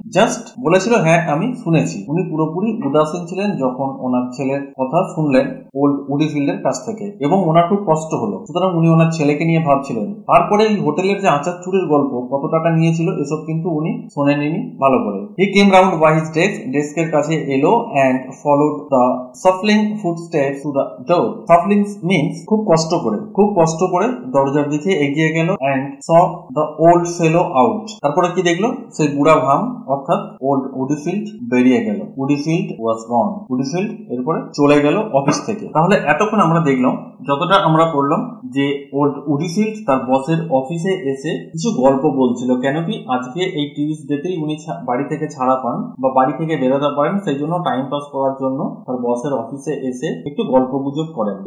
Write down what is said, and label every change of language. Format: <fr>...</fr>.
<bn>Just বলেছিল, হ্যাঁ আমি শুনেছি। উনি পুরোপুরি উদাসীন ছিলেন যখন ওনার ছেলের কথা শুনলেন ওল্ড উডিফিল্ডের কাছ থেকে, এবং ওনার খুব কষ্ট হলো, সুতরাং উনি ওনার ছেলেকে নিয়ে ভাবছিলেন। তারপরে এই হোটেলের যে আচার চুরির গল্প, কত টাকা নিয়েছিল, এসব কিন্তু উনি শোনেনি ভালো করে।</bn> <en>he came round by his desk,</en> <bn>ডেস্কের কাছে এলো,</bn> <en>And followed the shuffling footsteps to the door. Sufflings means</en> <bn>খুব কষ্ট করে দরজার দিকে এগিয়ে গেল,</bn> <en>and saw the old fellow out.</en> <bn>তারপরে কি দেখলো, সেই বুড়া ভাম অর্থাৎ old Woodfield বেরিয়ে গেল।</bn> <en>Woodfield was gone.</en> <bn>Woodfield এরপরে চলে গেল অফিস থেকে। তাহলে এতক্ষণ আমরা দেখলাম, যতটা আমরা পড়লাম, যে ওল্ড উডিফিল্ড তার বসের অফিসে এসে কিছু গল্প বলছিল। কেন কি, আজকে এই টিউজডেতেই উনি বাড়ি থেকে ছাড়া পান বা বাড়ি থেকে বেরোতে পারেন, সেই জন্য টাইম পাস করার জন্য তার বসের অফিসে এসে একটু গল্প গুজব করেন।</bn>